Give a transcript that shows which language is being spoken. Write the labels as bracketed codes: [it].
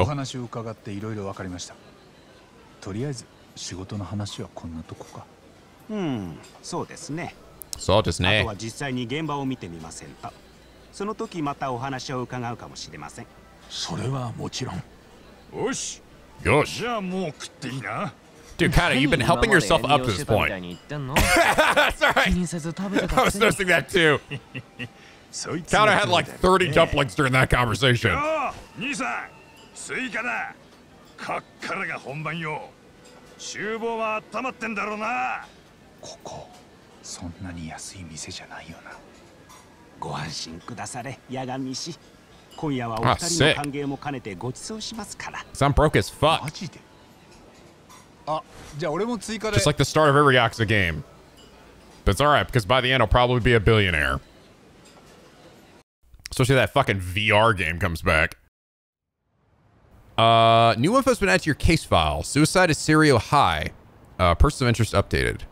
[ja] お話を伺っていろいろ分かりました。とりあえず仕事の話はこんなとこか。うん、そうですね。それはもちろん。よし。よし。じゃあもう食っていいな。 [en] Dude, Kata, you've been helping yourself up to this point. Sorry. I was noticing that too. Kata had like 30 dumplings during that conversation. Yo, [ja] そんなに安い店じゃないよな。ご安心くだされ、ヤガミ氏。今夜はお二人の歓迎も兼ねてごちそうしますから。 [en] So I'm broke as fuck. [ja] マジで。あ、じゃあ俺も追加で。 [en] Just like the start of every Yakuza game. But it's alright, because by the end I'll probably be a billionaire. Especially that fucking VR game comes back. New info's been added to your case file. Suicide is Seiryo High. Person of interest updated.